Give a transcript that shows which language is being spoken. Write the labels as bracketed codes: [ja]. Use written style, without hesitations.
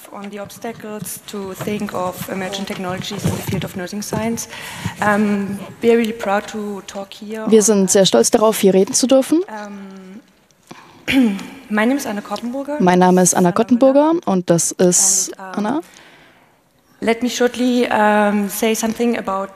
[en] On the obstacles to think of emerging technologies in the field of nursing science. We are really proud to talk here. [de] Wir sind sehr stolz darauf, hier reden zu dürfen. [en] My name is Anna Koppenburger. [de] Mein Name ist Anna Koppenburger und das ist Anna. [en] Let me shortly say something about